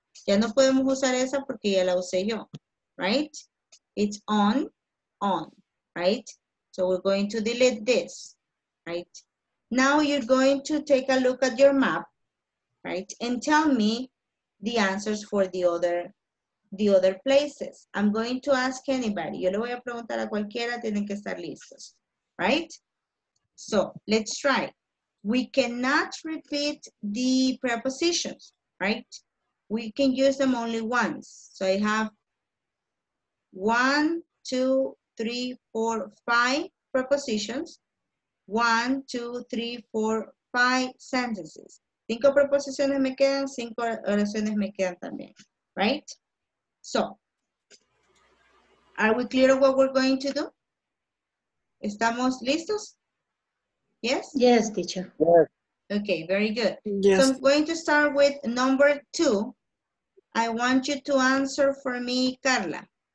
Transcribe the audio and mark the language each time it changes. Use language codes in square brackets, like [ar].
[es] Ya no podemos usar esa porque ya la usé yo, right? [en] It's on, right? So we're going to delete this, right? Now you're going to take a look at your map, right? And tell me the answers for the other places. I'm going to ask anybody. [es] Yo le voy a preguntar a cualquiera, tienen que estar listos, right? [en] So let's try. We cannot repeat the prepositions, right? We can use them only once. So I have 1, 2, 3, 4, 5 prepositions. 1, 2, 3, 4, 5 sentences. [es] 5 preposiciones me quedan, 5 oraciones me quedan también, right? [en] So, are we clear of what we're going to do? Yes. [es] ¿Estamos listos? Yes? [en] Yes, teacher. Yes. Okay, very good. Yes. So I'm going to start with number two. I want you to answer for me, Carla.